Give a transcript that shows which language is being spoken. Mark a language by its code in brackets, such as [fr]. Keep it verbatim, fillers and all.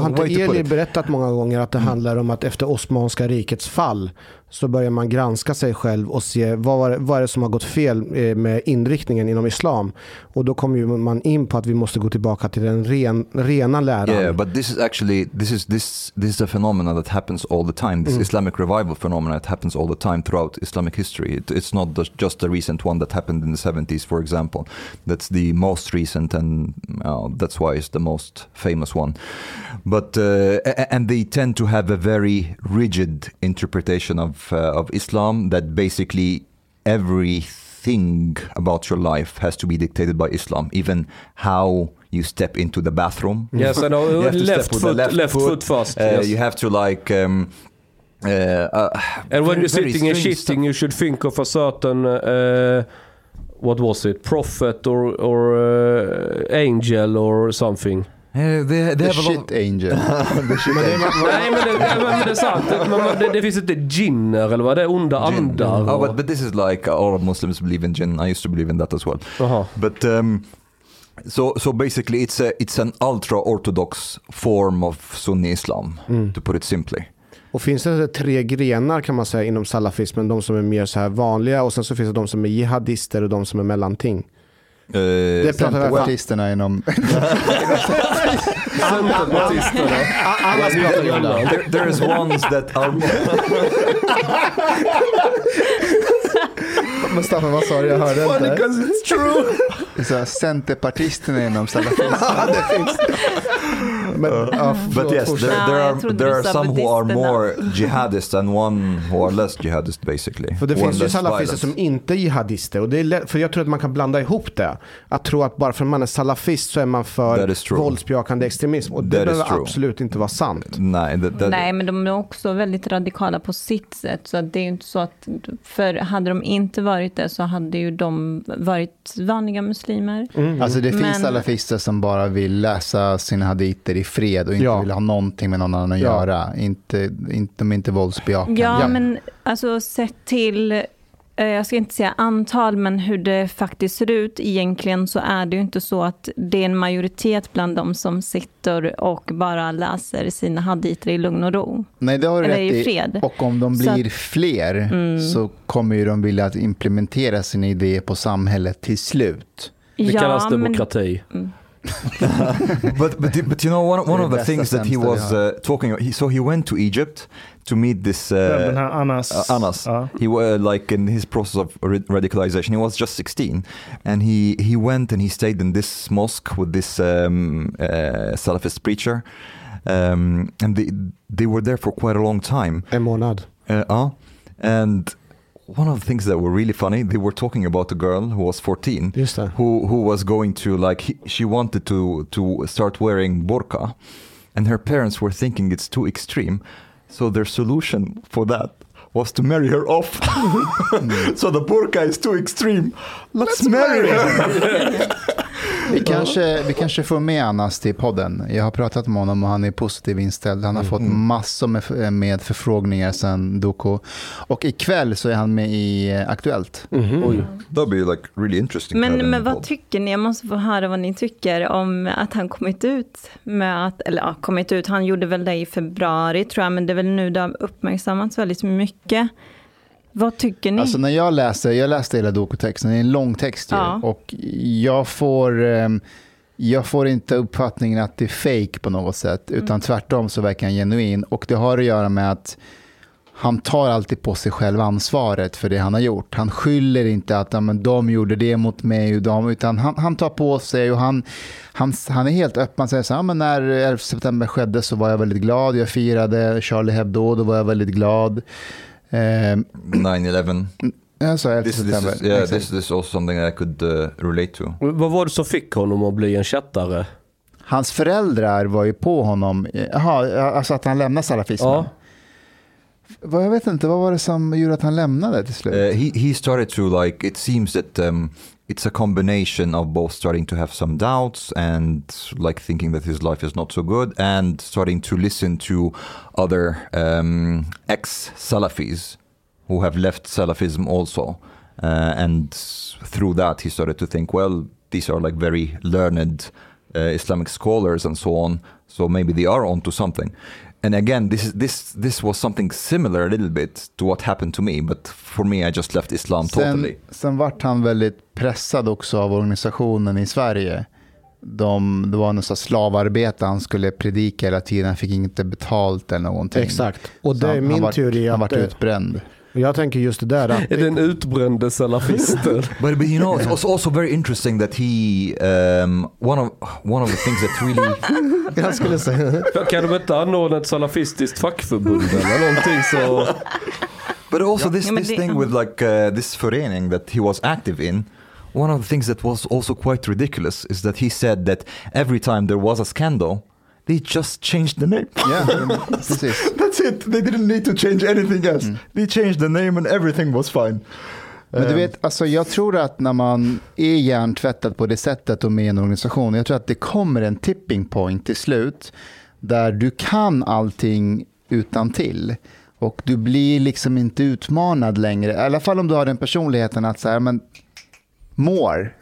[sv] har inte Eli berättat många gånger att det mm. handlar om att efter Osmanska rikets fall så börjar man granska sig själv och se vad, vad är det som har gått fel med inriktningen inom islam, och då kommer ju man in på att vi måste gå tillbaka till den ren, rena läran. [en] Yeah, but this is actually this is this this is a phenomenon that happens all the time. This mm. Islamic revival phenomenon that happens all the time throughout Islamic history. It, it's not the, just the recent one that happened in the seventies, for example. That's the most recent, and uh, that's why it's the most famous one. But uh, and they tend to have a very rigid interpretation of Uh, of Islam, that basically everything about your life has to be dictated by Islam, even how you step into the bathroom. Yes, I know. Left foot, left, left foot first. Uh, yes. You have to like. Um, uh, uh, and when very, you're sitting and shitting, stuff. You should think of a certain uh, what was it, prophet or or uh, angel or something. Uh, they, they the have shit a lot of... angel. The shit angel. [sv] Nej, men det, men det är sant. Men det, det finns inte jinner eller vad det är, onda jinn. Andar. [en] Oh, but, but this is like all Muslims believe in jinn. I used to believe in that as well. Uh-huh. But um, so so basically it's a it's an ultra-orthodox form of Sunni Islam, mm. to put it simply. [sv] Och finns det tre grenar kan man säga inom salafismen, de som är mer så här vanliga, och sen så finns det de som är jihadister och de som är mellanting. Uh, det pratar partisterna inom partisterna. Alla pratar ju om det. [en] There, there is ones that are [sv] Men Staffan, vad sa du? Jag hörde inte. [en] Because it's true. [sv] Så centerpartisterna inom salafismen. Det finns. [en] Men, uh, but yes, there, there are there are some who are more jihadist and one who are less jihadist, basically. [sv] För det [en] one [sv] finns ju salafister som inte är jihadister, och det är lätt, för jag tror att man kan blanda ihop det. Att tro att bara för att man är salafist så är man för våldsbejakande extremism, och det behöver absolut inte vara sant. [en] Nej, that, that [sv] Nej, men de är också väldigt radikala på sitt sätt, så att det är inte så att, för hade de inte varit det så hade ju de varit vanliga muslimer. Mm. Alltså det finns men, salafister som bara vill läsa sina haditer i fred och inte ja. vill ha någonting med någon annan att ja. göra. Inte, inte, de är inte våldsbejakande. Ja, ja, men alltså sett till, jag ska inte säga antal, men hur det faktiskt ser ut egentligen, så är det ju inte så att det är en majoritet bland dem som sitter och bara läser sina haditer i lugn och ro. Nej, det har du rätt i. Och om de blir så att, fler mm. så kommer ju de vilja att implementera sina idéer på samhället till slut. Det ja, kallas demokrati. Men, mm. [en] but, but but you know one one of the things that he was uh, talking about, he, so he went to Egypt to meet this uh, yeah, Anas, uh, Anas. Uh. He was uh, like in his process of radicalization, he was just sixteen, and he he went and he stayed in this mosque with this um, uh, Salafist preacher, um, and they they were there for quite a long time. [sv] En månad. [en] Uh, uh, and one of the things that were really funny, they were talking about a girl who was fourteen, Just that. who who was going to like he, she wanted to to start wearing burqa, and her parents were thinking it's too extreme, so their solution for that was to marry her off. So the burqa is too extreme. Let's, Let's marry, marry her. [sv] Vi kanske, vi kanske får med Anas till podden. Jag har pratat med honom och han är positiv inställd. Han har mm. fått massor med, med förfrågningar sedan Doku. Och ikväll så är han med i Aktuellt. Mm-hmm. Oj. [en] That'd be like really interesting. [sv] Men, men vad tycker ni? Jag måste få höra vad ni tycker om att han kommit ut med att, eller ja, kommit ut, han gjorde väl det i februari tror jag, men det är väl nu det har uppmärksammats väldigt mycket. Vad tycker ni? Alltså när jag läser, jag läste hela dokutexten, det är en lång text ju, ja. Och jag får, jag får inte uppfattningen att det är fake på något sätt, utan mm. tvärtom så verkar han genuin, och det har att göra med att han tar alltid på sig själv ansvaret för det han har gjort. Han skyller inte att men, de gjorde det mot mig, och de, utan han, han tar på sig och han, han, han är helt öppen. Han säger så här, men när elfte september skedde så var jag väldigt glad. Jag firade Charlie Hebdo, då var jag väldigt glad. [en] Um, nine eleven. [sv] Alltså, [en] this, this, is, yeah, this, this is also something that I could uh, relate to. [sv] Vad var det som fick honom att bli en chattare? Hans föräldrar var ju på honom. Jaha, alltså att han lämnade salafismen. Ja. Jag vet inte, vad var det som gjorde att han lämnade till slut? [en] Uh, he, he started to like, it seems that um, it's a combination of both starting to have some doubts and like thinking that his life is not so good and starting to listen to other um, ex-Salafis who have left Salafism also. Uh, and through that he started to think, well, these are like very learned uh, Islamic scholars and so on, so maybe they are onto something. And again, this is this this was something similar a little bit to what happened to me, but for me I just left Islam totally. [sv] Sen, sen vart han väldigt pressad också av organisationen i Sverige. De, det var någon slags slavarbete han skulle predika hela tiden, han fick inte betalt eller någonting. Exakt. Och det är han, min han var, teori han vart det... utbränd. Jag tänker just det där. Är den utbrände salafisten? [en] But, but you know, it's also, also very interesting that he um, one of one of the things that really. [sv] Jag skulle säga. Kan de inte anordna ett salafistiskt fackförbund eller någonting så? [en] But also this this thing with like uh, this förening that he was active in. One of the things that was also quite ridiculous is that he said that every time there was a scandal, they just changed the name. Yeah, that's it. They didn't need to change anything else. Mm. They changed the name and everything was fine. [sv] Men du vet, alltså jag tror att när man är hjärntvättad på det sättet och med en organisation, jag tror att det kommer en tipping point till slut där du kan allting utan till. Och du blir liksom inte utmanad längre. I alla fall om du har den personligheten att så här, men more.